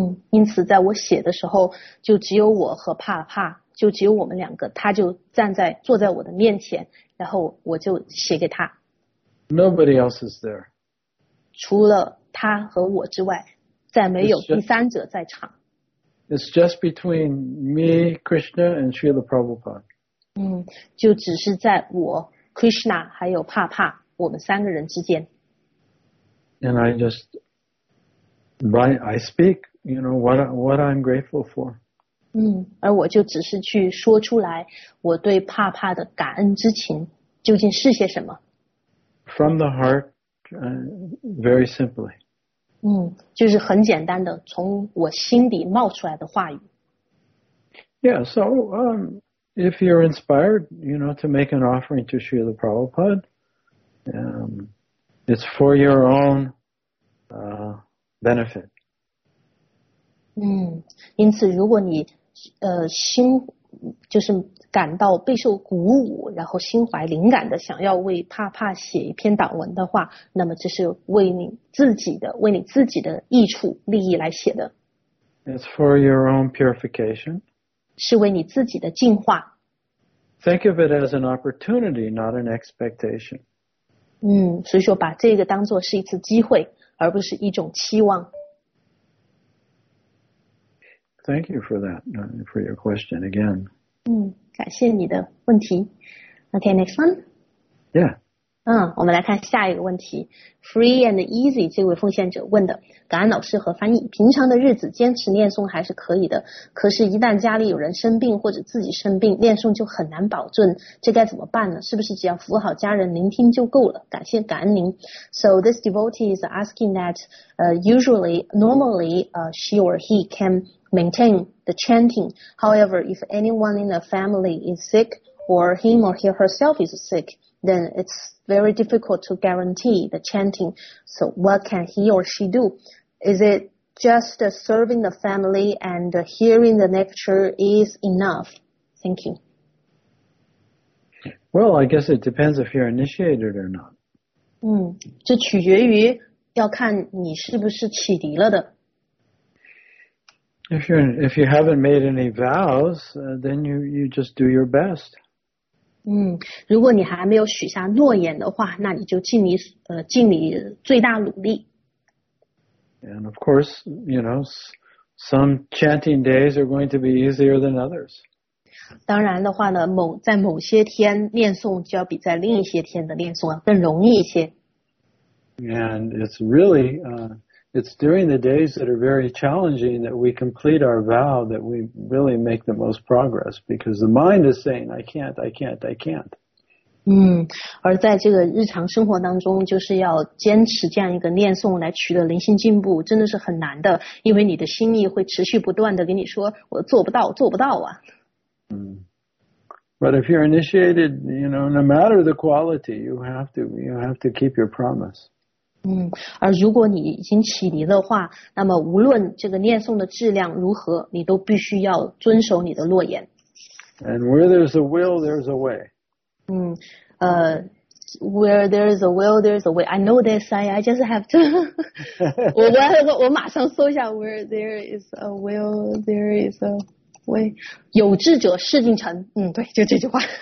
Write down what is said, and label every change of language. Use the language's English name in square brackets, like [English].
[Chinese] 因此在我写的时候，就只有我和帕帕，就只有我们两个，他就坐在我的面前，然后我就写给他。 [English] Nobody else is there. [Chinese] 除了他和我之外，再没有第三者在场。 [English] It's just between me, Krishna, and Srila Prabhupada. [Chinese] 就只是在我 Krishna 还有帕帕我们三个人之间。 [English] And I just I speak, you know, what I'm grateful for. [Chinese] 而我就只是去说出来我对帕帕的感恩之情究竟是些什么。 [English] From the heart, very simply. [Chinese] 就是很简单的从我心底冒出来的话语。 [English] Yeah, so, if you're inspired, you know, to make an offering to Srila Prabhupada, it's for your own, benefit. [Chinese] 因此如果你心就是感到备受鼓舞，然后心怀灵感的想要为帕帕写一篇祷文的话，那么这是为你自己的益处利益来写的。 [English] It's for your own purification. [Chinese] 是为你自己的净化。 [English] Think of it as an opportunity, not an expectation. [Chinese] 所以说把这个当作是一次机会，而不是一种期望。 [English] Thank you for that, for your question again. [Chinese] 感谢你的问题。 [English] Okay, next one? Yeah. [Chinese] 我们来看下一个问题。 Free and easy 这位奉献者问的，感恩老师和翻译，平常的日子坚持念诵还是可以的，可是一旦家里有人生病或者自己生病，念诵就很难保证，这该怎么办呢？是不是只要服务好家人聆听就够了？感谢感恩您。 [English] So this devotee is asking that she or he can maintain the chanting. However, if anyone in the family is sick or him or herself is sick, then it's very difficult to guarantee the chanting. So what can he or she do? Is it just serving the family and hearing the lecture is enough? Thank you. Well, I guess it depends if you're initiated or not. [Chinese] 这取决于要看你是不是启迪了的。 [English] If you haven't made any vows, then you just do your best. [Chinese] 如果你还没有许下诺言的话，那你就尽你最大努力。 [English] And of course, you know, some chanting days are going to be easier than others. [Chinese] 当然的话呢，在某些天念诵就要比在另一些天的念诵更容易一些。 [English] And it's really, it's during the days that are very challenging that we complete our vow that we really make the most progress because the mind is saying, I can't, I can't, I can't. [Chinese] 而在这个日常生活当中就是要坚持这样一个念诵来取得灵性进步真的是很难的，因为你的心意会持续不断的跟你说我做不到，做不到啊。 [English] But if you're initiated, you know, no matter the quality, you have to keep your promise. [Chinese] 而如果你已经启迪的话，那么无论这个念诵的质量如何，你都必须要遵守你的诺言。 [English] And where there's a will, there's a way. Where there's a will, there's a way. I know this, I just have to. [Chinese] 我马上搜一下 [English] where there is a will, there is a way. [Chinese] 有志者事竟成。对，就这句话。